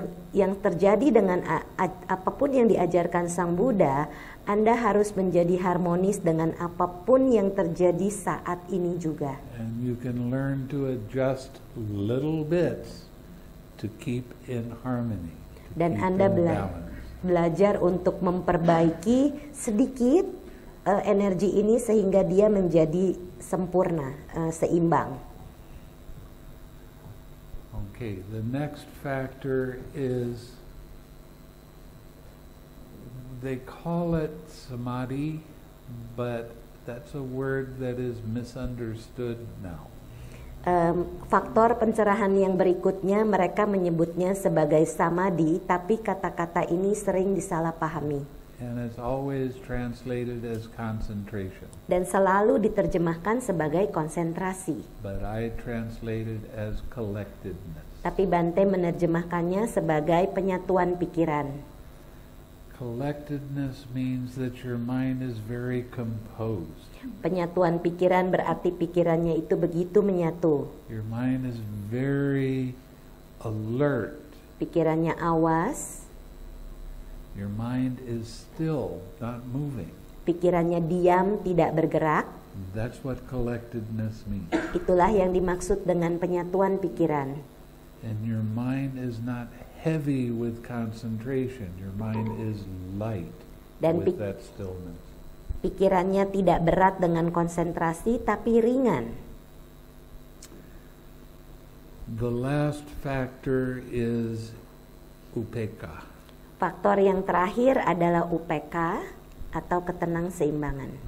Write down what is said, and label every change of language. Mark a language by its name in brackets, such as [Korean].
[Indonesian] Yang terjadi dengan apapun yang diajarkan Sang Buddha, Anda harus menjadi harmonis dengan apapun yang terjadi saat ini juga. [English] And you can learn to adjust little bits to keep in harmony. [Indonesian] Dan Anda belajar untuk memperbaiki sedikit energi ini sehingga dia menjadi sempurna, seimbang. [English] Okay, the next factor is, they call it samadhi, but that's a word that is misunderstood now. [Indonesian] Faktor pencerahan yang berikutnya, mereka menyebutnya sebagai samadhi, tapi kata-kata ini sering disalahpahami. [English] And it's always translated as concentration. [Indonesian] Dan selalu diterjemahkan sebagai konsentrasi. [English] But I translate it as collectedness. [Indonesian] Tapi Bante menerjemahkannya sebagai penyatuan pikiran. [English] Collectedness means that your mind is very composed. [Indonesian] Penyatuan pikiran berarti pikirannya itu begitu menyatu. [English] Your mind is very alert. [Indonesian] Pikirannya awas. [English] Your mind is still, not moving. [Indonesian] Pikirannya diam, tidak bergerak. [English] That's what collectedness means. [Indonesian] Itulah yang dimaksud dengan penyatuan pikiran. [English] And your mind is not heavy with concentration. Your mind is light with that stillness. [Indonesian] Pikirannya tidak berat dengan konsentrasi, tapi ringan. [English] The last factor is upekkha. [Indonesian] Faktor yang terakhir adalah upekkha atau ketenang seimbangan.